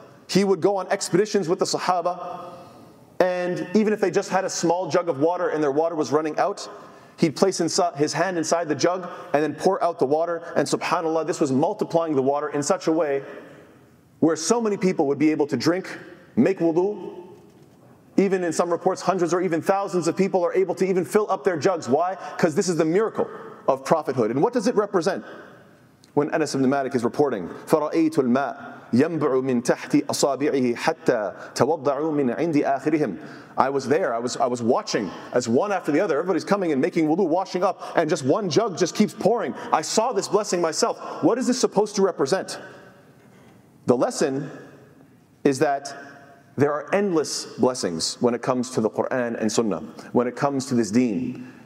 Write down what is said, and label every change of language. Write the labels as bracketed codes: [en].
[en] He would go on expeditions with the Sahaba, and even if they just had a small jug of water and their water was running out, he'd place his hand inside the jug and then pour out the water, and subhanAllah, this was multiplying the water in such a way where so many people would be able to drink, make wudu. Even in some reports, hundreds or even thousands of people are able to even fill up their jugs. Why? Because this is the miracle of prophethood. And what does it represent? When Anas ibn Malik is reporting, [ar] فَرَأَيْتُ الْمَاءِ يَنْبَعُ مِنْ تَحْتِ أَصَابِعِهِ حَتَّى تَوَضَّعُوا مِنْ عِنْدِ آخِرِهِمْ. [en] I was there, I was watching as one after the other, everybody's coming and making wudu, washing up, and just one jug just keeps pouring. I saw this blessing myself. What is this supposed to represent? The lesson is that there are endless blessings when it comes to the Quran and Sunnah, when it comes to this deen.